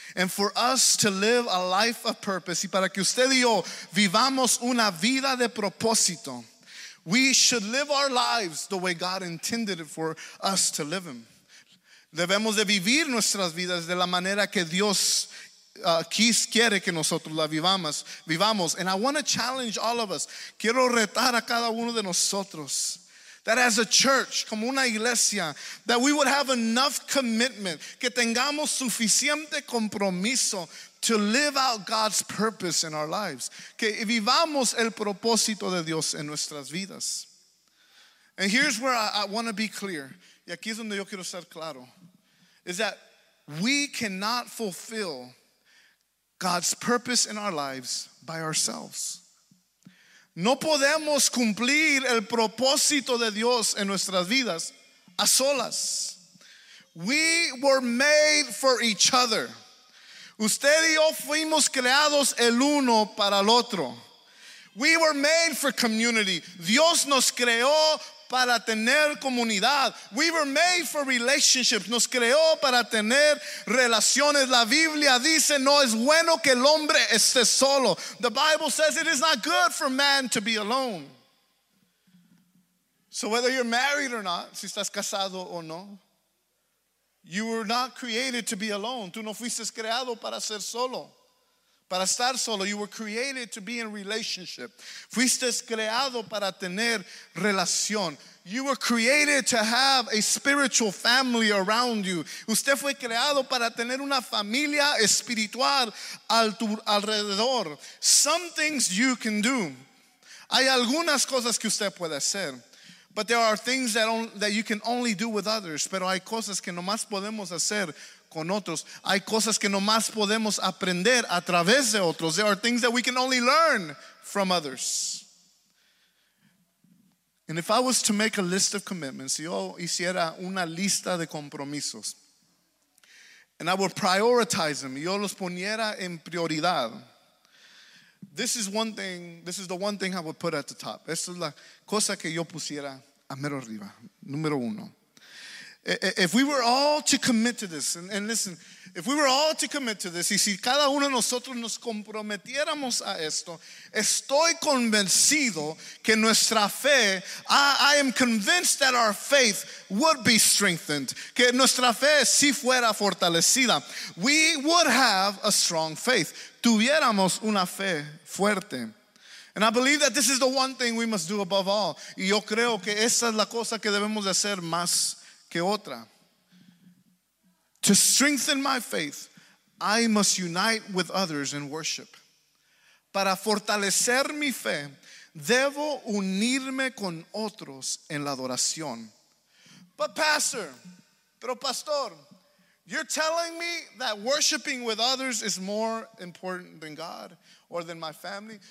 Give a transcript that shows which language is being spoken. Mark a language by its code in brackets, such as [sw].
[en] And for us to live a life of purpose, [es] y para que usted y yo vivamos una vida de propósito, [en] we should live our lives the way God intended it for us to live them. [es] Debemos de vivir nuestras vidas de la manera que Dios quiere que nosotros la vivamos. [en] And I want to challenge all of us. [es] Quiero retar a cada uno de nosotros. [en] That as a church, [es] como una iglesia, [en] that we would have enough commitment, [es] que tengamos suficiente compromiso [en] to live out God's purpose in our lives. [es] Que vivamos el propósito de Dios en nuestras vidas. [en] And here's where I want to be clear. [es] Y aquí es donde yo quiero ser claro. [en] Is that we cannot fulfill God's purpose in our lives by ourselves. [es] No podemos cumplir el propósito de Dios en nuestras vidas a solas. [en] We were made for each other. [es] Usted y yo fuimos creados el uno para el otro. [en] We were made for community. [es] Dios nos creó para tener comunidad. [en] We were made for relationships. [es] Nos creó para tener relaciones. La Biblia dice, no es bueno que el hombre esté solo. [en] The Bible says it is not good for man to be alone. So whether you're married or not, [es] si estás casado o no, [en] you were not created to be alone. [es] Tú no fuiste creado para ser solo, para estar solo. [en] You were created to be in relationship. [es] Fuiste creado para tener relación. [en] You were created to have a spiritual family around you. [es] Usted fue creado para tener una familia espiritual alrededor. [en] Some things you can do. [es] Hay algunas cosas que usted puede hacer. [en] But there are things that you can only do with others. [es] Pero hay cosas que nomás podemos hacer con otros. Hay cosas que nomás podemos aprender a través de otros. [en] There are things that we can only learn from others. And if I was to make a list of commitments, [es] si yo hiciera una lista de compromisos, [en] and I would prioritize them, [es] yo los poniera en prioridad, [en] this is one thing, this is the one thing I would put at the top. [es] Esto es la cosa que yo pusiera a mero arriba, número uno. [en] If we were all to commit to this, and listen, if we were all to commit to this, [es] y si cada uno de nosotros nos comprometiéramos a esto, estoy convencido que nuestra fe, [en] I am convinced that our faith would be strengthened, [es] que nuestra fe si fuera fortalecida. [en] We would have a strong faith. [es] Tuviéramos una fe fuerte. [en] And I believe that this is the one thing we must do above all. [es] Y yo creo que esa es la cosa que debemos de hacer más que otra. [en] To strengthen my faith, I must unite with others in worship. [es] Para fortalecer mi fe, debo unirme con otros en la adoración. [en] But pastor, [es] pero pastor, [en] you're telling me that worshiping with others is more important than God or than my family.